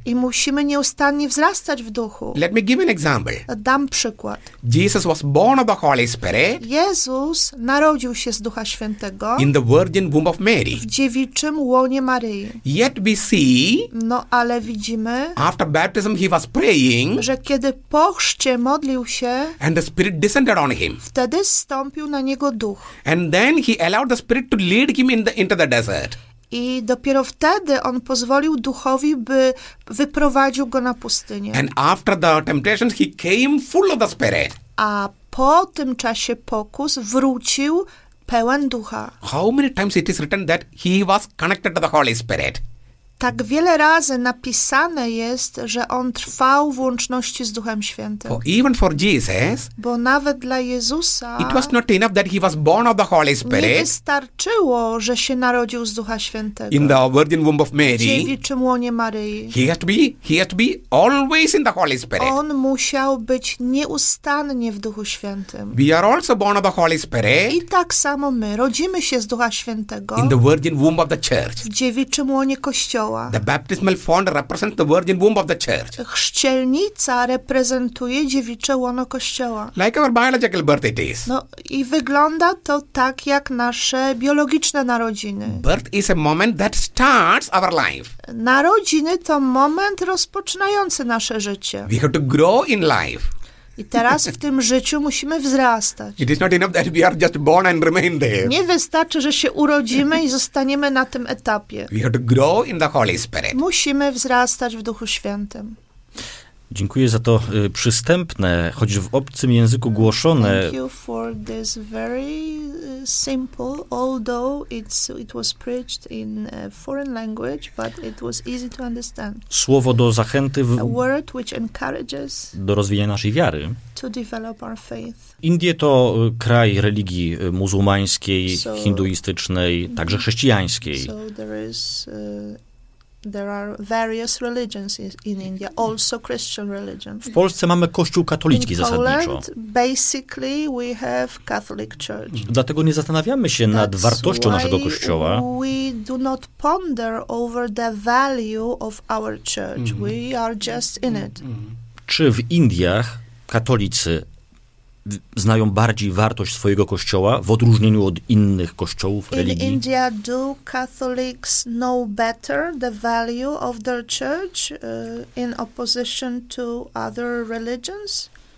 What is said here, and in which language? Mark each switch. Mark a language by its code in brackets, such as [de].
[pl] I musimy nieustannie wzrastać w duchu. [en] Let me give an example. [pl] Dam przykład. [en] Jesus was born of the Holy Spirit. [pl] Jezus narodził się z Ducha Świętego. [en] In the virgin womb of Mary. [pl] W dziewiczym łonie Maryi. [en] Yet we see. [pl] No ale widzimy. [en] After baptism he was praying. [pl] Że kiedy po chrzcie modlił się. [en] And the spirit descended on him. [pl] Wtedy zstąpił na niego duch. [en] And then he allowed the spirit to lead him into the desert. [pl] I dopiero wtedy on pozwolił duchowi, by wyprowadził go na pustynię. [en] And after the temptations he came full of the spirit. [pl] A po tym czasie pokus wrócił pełen ducha. [en] How many times it is written that he was connected to the Holy Spirit? [pl] tak wiele razy napisane jest, że on trwał w łączności z Duchem Świętym. [en] For even for Jesus, [pl] bo nawet dla Jezusa [en] it was not enough that he was born of the Holy Spirit. [pl] Nie wystarczyło, że się narodził z Ducha Świętego. [en] In the virgin womb of Mary. [pl] W dziewiczym łonie Maryi. [en] He had to be always in the Holy Spirit. [pl] On musiał być nieustannie w Duchu Świętym. [en] We are also born of the Holy Spirit. [pl] I tak samo my rodzimy się z Ducha Świętego. [en] In the virgin womb of the church. [pl] W dziewiczym łonie Kościoła. [en] The baptismal font represents the virgin womb of the church. [pl] Chrzcielnica reprezentuje dziewicze łono Kościoła. [en] Like our biological birth it is. [pl] No i wygląda to tak jak nasze biologiczne narodziny. [en] Birth is a moment that starts our life. [pl] Narodziny to moment rozpoczynający nasze życie. [en] We have to grow in life. [pl] I teraz w tym życiu musimy wzrastać. [en] It is not enough that we are just born and remain there. [pl] Nie wystarczy, że się urodzimy i zostaniemy na tym etapie. [en] We have to grow in the Holy Spirit. [pl] Musimy wzrastać w Duchu Świętym. Dziękuję za to przystępne, choć w obcym języku głoszone. [en] Thank you for this very simple, although it was preached in a foreign language, but it was easy to understand. [pl] Słowo do zachęty w, [en] a word which encourages [pl] do rozwijania naszej wiary. [en] To develop our faith. [pl] Indie to kraj religii muzułmańskiej, so, hinduistycznej, także chrześcijańskiej. [en] So there is there are various religions in India, also Christian religion. [pl] W Polsce mamy kościół katolicki [en] in [pl] zasadniczo. [en] Poland, basically we have Catholic Church. [pl] Dlatego nie zastanawiamy się [en] That's [pl] nad wartością [en] why [pl] naszego kościoła. [en] We do not ponder over the value of our church. Mm-hmm. We are just in it. [pl] Czy w Indiach katolicy znają bardziej wartość swojego kościoła w odróżnieniu od innych kościołów religii? [en] In India, do Catholics know better the value of their church in opposition to other religions?